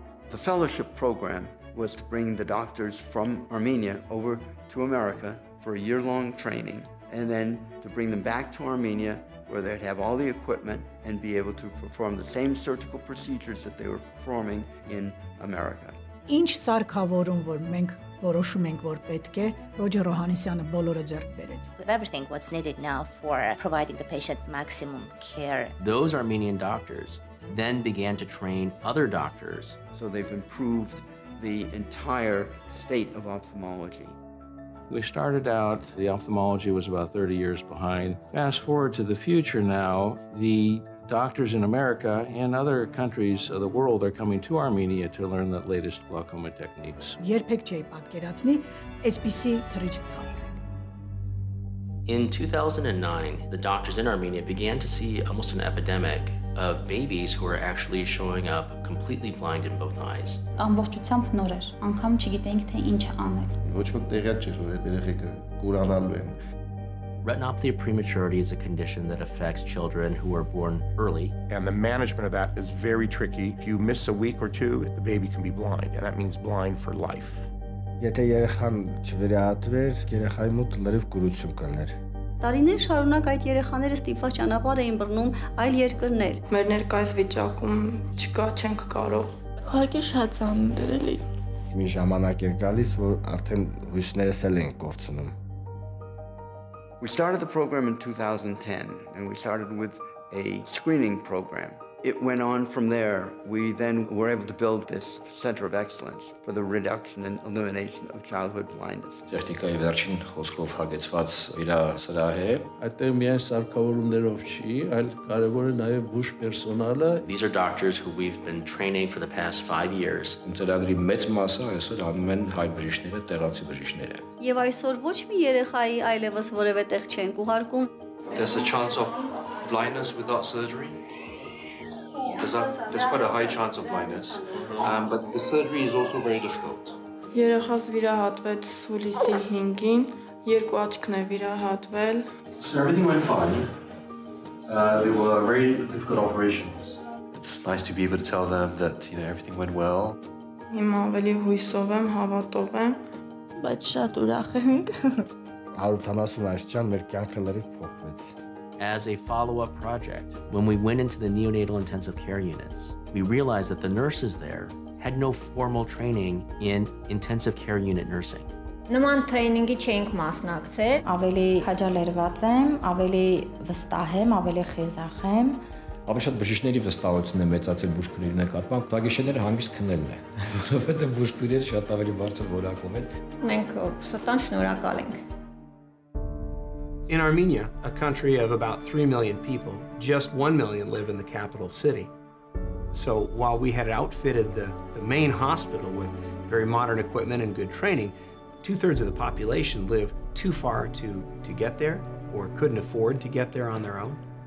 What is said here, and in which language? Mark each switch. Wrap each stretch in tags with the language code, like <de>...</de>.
<en>The fellowship program was to bring the doctors from Armenia over to America for a year-long training, and then to bring them back to Armenia where they'd have all the equipment and be able to perform the same surgical procedures that they were performing in America.</en> <hy>Ինչ սարքավորում որ մենք որոշում ենք որ պետք է Ռոջեր Ռոհանեսյանը բոլորը ձեռք բերեց.</hy> <en>Everything what's needed now for providing the patient maximum care. Those Armenian doctors then began to train other doctors. So they've improved the entire state of ophthalmology. We started out, the ophthalmology was about 30 years behind. Fast forward to the future now, the doctors in America and other countries of the world are coming to Armenia to learn the latest glaucoma techniques.</en> <hy>Երբեք չի պատկերացնի, այսպիսի թրիչ կապը։</hy> <en>In 2009, the doctors in Armenia began to see almost an epidemic of babies who are actually showing up completely blind in both eyes.</en> <hy>Ամբողջությամբ նոր էր, անգամ չգիտենք թե ինչ անել։ Ոչ ոք տեղյակ չէր, որ այդ երեխեքը կուրանալու են։</hy> <en>Retinopathy of prematurity is a condition that affects children who are born early. And the management of that is very tricky. If you miss a week or two, the baby can be blind, and that means blind for life.</en> <hy>Եթե երեխան չվերահատվեր, երեխայի մոտ լրիվ կուրություն կլիներ։ Տարիներ շարունակ այդ երեխաները ստիպված ճանապարհ էին բռնում այլ երկրներ։ Մեր ներկայիս վիճակում չկա, չենք կարող։ Ուղղակի շատ ծանր էլի։ Մի ժամանակ էր գալիս, որ արդեն հույսներս էլ էին կորցնում։</hy> <en>We started the program in 2010, and we started with a screening program. It went on from there. We then were able to build this center of excellence for the reduction and elimination of childhood blindness.</en> <hy>Տեխնիկայի վերջին խոսքով հագեցված իր սրահ է։ Այդտեղ միայն սարքավորումներով չի, այլ կարևոր է նաև բուժ պերսոնալը։</hy> <en>These are doctors who we've been training for the past 5 years.</en> <hy>Ծրագրի մեծ մասը այսօր անում են հայ բժիշկները, տեղացի բժիշկները։ Եվ այսօր ոչ մի երեխայի այլևս որևէ տեղ չեն կուղարկում։</hy> <en>There's a chance of blindness without surgery. that's quite a high chance of blindness. But the surgery is also very difficult.</en> <hy>Երեխաս վիրահատվեց սուլիսի 5-ին, երկու աչքն է վիրահատվել.</hy> <en>So everything went fine. They were very difficult operations. It's nice to be able to tell them that, you know, everything went well.</en> <hy>Հիմա ավելի հույսով եմ, հավատով եմ, բայց շատ ուրախ ենք. 178 ջան մեր կյանքը լրիվ փոխվեց.</hy> <en>As a follow-up project, when we went into the neonatal intensive care units, we realized that the nurses there had no formal training in intensive care unit nursing.</en> <hy>Նման տրեյնինգի չենք մասնակցել, ավելի հաջալերված եմ, ավելի վստահ եմ, ավելի խիզախ եմ։ Ավելի շատ բժիշկների վստահությունը մեծացել բուժքույրերի նկատմամբ, բժիշկները հանգիստ քնելն է, որովհետև բուժքույրերը շատ ավելի բարձր որակում են։ Մենք սրտան շնորհակալ ենք։</hy> <en>In Armenia, a country of about 3 million people, just 1 million live in the capital city. So while we had outfitted the main hospital with very modern equipment and good training, two-thirds of the population live too far to get there or couldn't afford to get there on their own.</en>